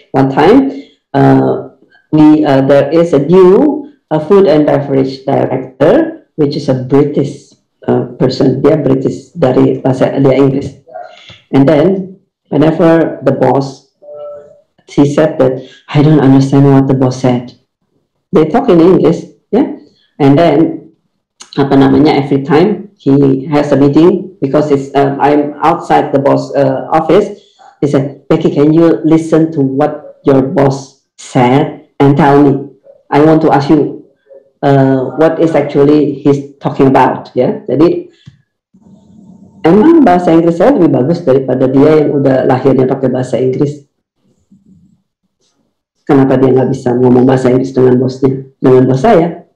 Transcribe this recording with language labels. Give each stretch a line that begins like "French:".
English: One time, there is a new food and beverage director, which is a British person.
Indonesian: Dia British dari bahasa dia English.
English: And then whenever the boss, he said that I don't understand what the boss said. They talk in English. Yeah, and then
Indonesian: apa namanya
English: every time he has a meeting. Because it's I'm outside the boss office, he said, Becky, can you listen to what your boss said and tell me? I want to ask you what is actually he's talking about.
Indonesian: Yeah, jadi emang bahasa Inggris saya lebih bagus daripada dia yang udah lahirnya pakai bahasa Inggris. Kenapa dia nggak bisa ngomong bahasa Inggris dengan bosnya, dengan bos saya?